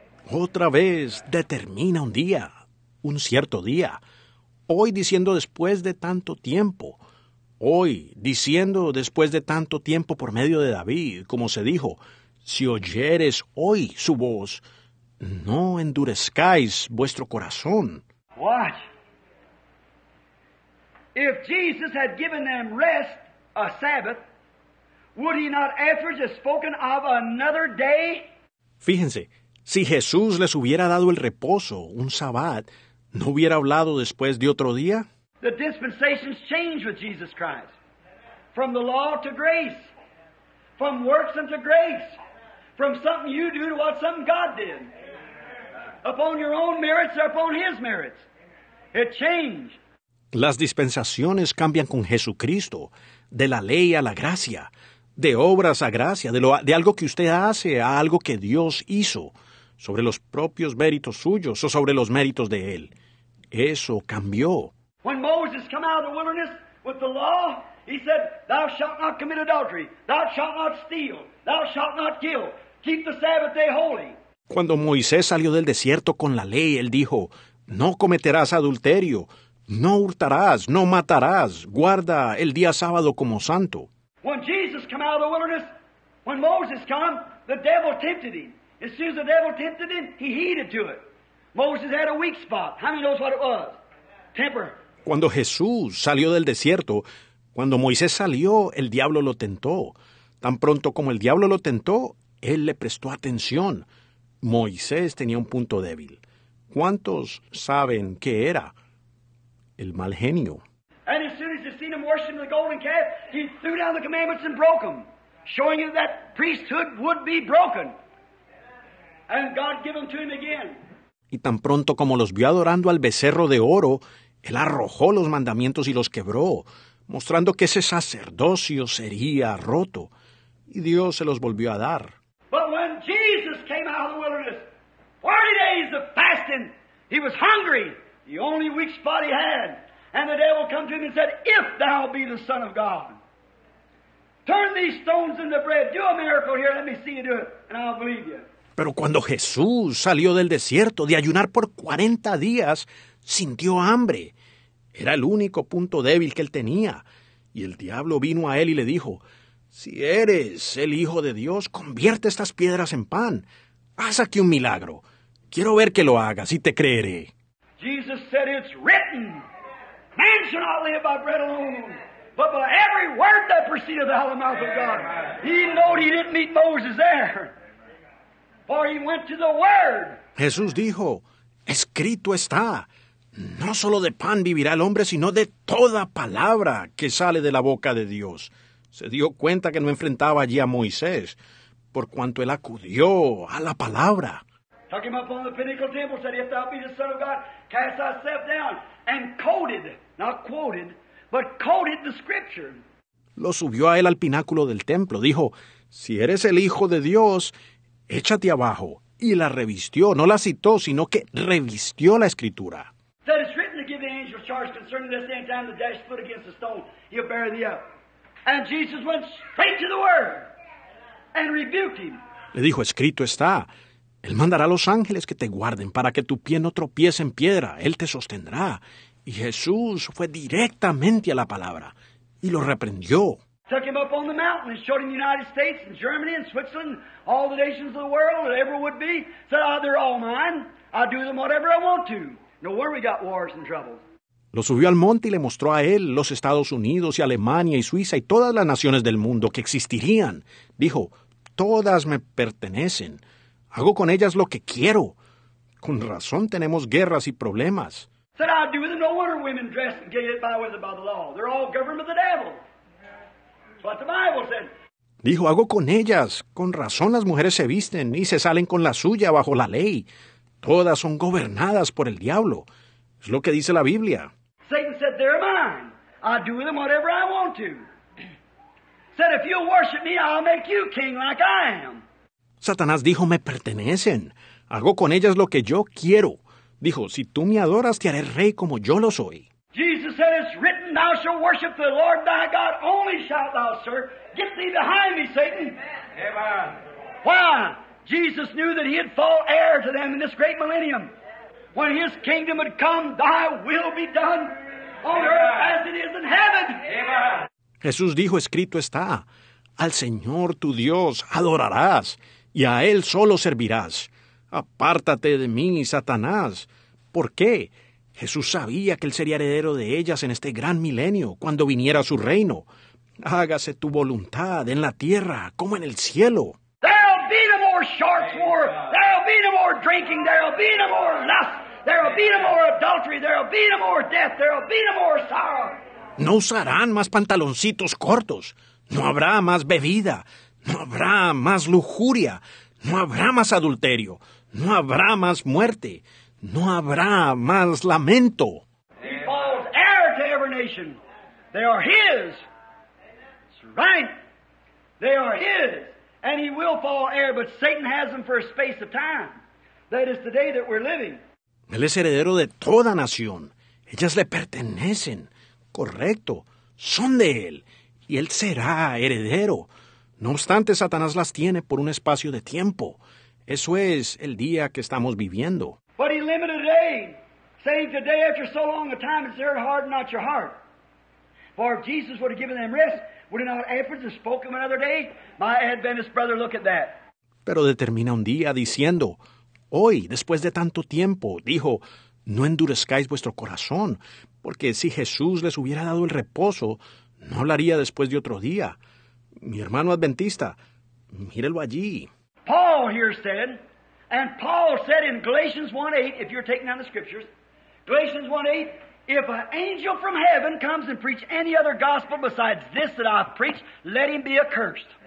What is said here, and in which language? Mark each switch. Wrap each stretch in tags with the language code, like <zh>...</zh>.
<es>Otra vez determina un día, un cierto día, hoy diciendo después de tanto tiempo. Hoy, diciendo después de tanto tiempo por medio de David, como se dijo, si oyeres hoy su voz, no endurezcáis vuestro corazón.</es> <en>Watch. If Jesus had given them rest, a Sabbath, would he not afterwards have spoken of another day?</en> <es>Fíjense, si Jesús les hubiera dado el reposo, un Sabbat, ¿no hubiera hablado después de otro día?</es> <en>The dispensations change with Jesus Christ. From the law to grace. From works unto grace. From something you do to what something God did. Upon your own merits or upon His merits. It changed.</en> <es>Las dispensaciones cambian con Jesucristo. De la ley a la gracia. De obras a gracia. De algo que usted hace a algo que Dios hizo. Sobre los propios méritos suyos o sobre los méritos de Él. Eso cambió.</es> <en>When Moses came out of the wilderness with the law, he said, thou shalt not commit adultery, thou shalt not steal, thou shalt not kill. Keep the Sabbath day holy.</en> <es>Cuando Moisés salió del desierto con la ley, él dijo, no cometerás adulterio, no hurtarás, no matarás, guarda el día sábado como santo.</es> <en>When Jesus came out of the wilderness, when Moses came, the devil tempted him. As soon as the devil tempted him, he heeded to it. Moses had a weak spot. How many knows what it was? Temper.</en> <es>Cuando Jesús salió del desierto, cuando Moisés salió, el diablo lo tentó. Tan pronto como el diablo lo tentó, él le prestó atención. Moisés tenía un punto débil. ¿Cuántos saben qué era? El mal genio.</es> <en>And as soon as he seen him worshiping the golden calf, he threw down the commandments and broke them, showing him that priesthood would be broken. And God gave them to him again.</en> <es>Y tan pronto como los vio adorando al becerro de oro, él arrojó los mandamientos y los quebró, mostrando que ese sacerdocio sería roto. Y Dios se los volvió a dar.</es> <en>But when Jesus came out of the wilderness, 40 days of fasting, he was hungry, the only weak spot he had. And the devil came to him and said, if thou be the Son of God, turn these stones into bread, do a miracle here, let me see you do it, and I'll believe you.</en> <es>Pero cuando Jesús salió del desierto de ayunar por 40 días, sintió hambre. Era el único punto débil que él tenía. Y el diablo vino a él y le dijo, si eres el Hijo de Dios, convierte estas piedras en pan. Haz aquí un milagro. Quiero ver que lo hagas y te creeré.</es> <en>Jesus said, it's written. Man shall not live by bread alone, but by every word that proceedeth out of the mouth of God. He knew he didn't meet Moses there. Or he went to the word.</en> <es>Jesús dijo, escrito está, no solo de pan vivirá el hombre, sino de toda palabra que sale de la boca de Dios. Se dio cuenta que no enfrentaba allí a Moisés, por cuanto él acudió a la palabra.</es> <en>took him up on the pinnacle temple, said, if thou be the Son of God, cast thyself down, and quoted, not quoted, but quoted the scripture.</en> <es>Lo subió a él al pináculo del templo. Dijo, si eres el Hijo de Dios, échate abajo. Y la revistió, no la citó, sino que revistió la escritura.</es> <en>That it's written to give the angels charge concerning this same time the dash foot against the stone, he'll bear thee up. And Jesus went straight to the word and rebuked him.</en> <es>Le dijo, escrito está. Él mandará a los ángeles que te guarden para que tu pie no tropiece en piedra. Él te sostendrá. Y Jesús fue directamente a la palabra y lo reprendió.</es> <en>Took him up on the mountain and showed him the United States and Germany and Switzerland, all the nations of the world that ever would be. Said, oh, they're all mine. I do them whatever I want to. No worry, we got wars and troubles.</en> <es>Lo subió al monte y le mostró a él los Estados Unidos y Alemania y Suiza y todas las naciones del mundo que existirían. Dijo, todas me pertenecen. Hago con ellas lo que quiero. Con razón tenemos guerras y problemas.</es> <en>Said, I do them. No wonder women dress and get by with it by the law. They're all government of the devil. But the Bible said.</en> <es>Dijo, hago con ellas. Con razón las mujeres se visten y se salen con la suya bajo la ley. Todas son gobernadas por el diablo. Es lo que dice la Biblia.</es> <en>Satan said, they're mine. I do with them whatever I want to. Said, if you worship me, I'll make you king like I am.</en> <es>Satanás dijo, me pertenecen. Hago con ellas lo que yo quiero. Dijo, si tú me adoras, te haré rey como yo lo soy.</es> <en>Jesus said, it's written, thou shalt worship the Lord thy God only shalt thou serve. Get thee behind me, Satan. Amen. Why? Jesus knew that he'd fall heir to them in this great millennium. When his kingdom had come, thy will be done on Amen. Earth as it is in heaven. Amen.</en> <es>Jesús dijo, escrito está, al Señor tu Dios adorarás y a Él solo servirás. Apártate de mí, Satanás. ¿Por qué? Jesús sabía que Él sería heredero de ellas en este gran milenio, cuando viniera a su reino. Hágase tu voluntad en la tierra como en el cielo.</es> <en>There'll be no more sharks war. There'll be no more drinking. There'll be no more lust. There'll be no more adultery. There'll be no more death. There'll be no more sorrow.</en> <es>No usarán más pantaloncitos cortos. No habrá más bebida. No habrá más lujuria. No habrá más adulterio. No habrá más muerte. No habrá más lamento.</es> <en>He falls heir to every nation. They are his. That's right. They are his. And he will fall heir, but Satan has them for a space of time. That is the day that we're living.</en> <es>Él es heredero de toda nación. Ellas le pertenecen. Correcto. Son de él. Y él será heredero. No obstante, Satanás las tiene por un espacio de tiempo. Eso es el día que estamos viviendo.</es> <en>But he limited a day, saying today after so long a time it's their heart and not your heart. For if Jesus would have given them rest, would he not have answered and spoken another day? My Adventist brother, look at that.</en> <es>Pero determina un día diciendo, hoy, después de tanto tiempo, dijo, no endurezcáis vuestro corazón, porque si Jesús les hubiera dado el reposo, no hablaría después de otro día. Mi hermano adventista, mírelo allí.</es> <en>Paul here said, and Paul said in Galatians 1:8, if you're taking down the scriptures, Galatians 1:8, if an angel from heaven comes and preach any other gospel besides this that I've preached, let him be accursed.</en>